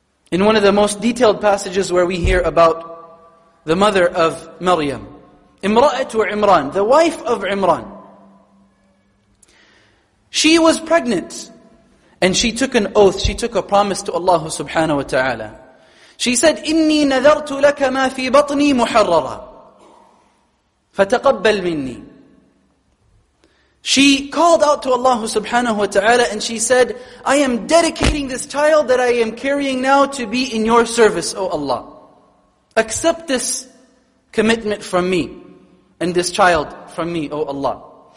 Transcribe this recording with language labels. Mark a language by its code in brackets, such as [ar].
[en] In one of the most detailed passages where we hear about the mother of Maryam. Imra'atu Imran, the wife of Imran. She was pregnant. And she took an oath, she took a promise to Allah subhanahu wa ta'ala. She said, [ar] إِنِّي نَذَرْتُ لَكَ مَا فِي بَطْنِي مُحَرَّرًا فَتَقَبَّلْ مِنِّي. [en] She called out to Allah subhanahu wa ta'ala and she said, I am dedicating this child that I am carrying now to be in your service, O Allah. Accept this commitment from me and this child from me, O Allah.